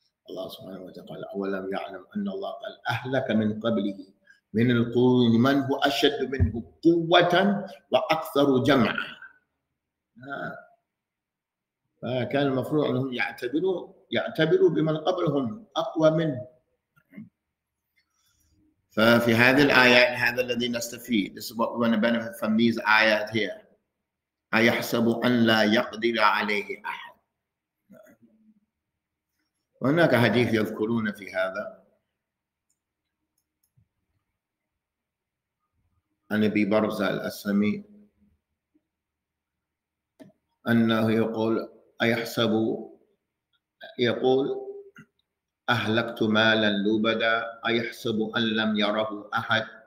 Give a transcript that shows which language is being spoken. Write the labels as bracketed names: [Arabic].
[Arabic] الله سبحانه وتعالى: أولم يعلم أن الله قال أهلك من قبله من القرون من هو أشد منه قوة وأكثر جمعا. فكان المفروض أنهم يعتبروا بمن قبلهم أقوى منه. ففي هذه الآية هذا الذي نستفيد. [English] This is what we're going to benefit from these آيات here. [Arabic] أيحسب أن لا يقدر عليه أحد. هناك حديث يذكرون في هذا عن أبي برزة الأسلمي أنه يقول أيحسب، يقول: أهلكت مالا لبدا، أيحسب أن لم يره أحد؟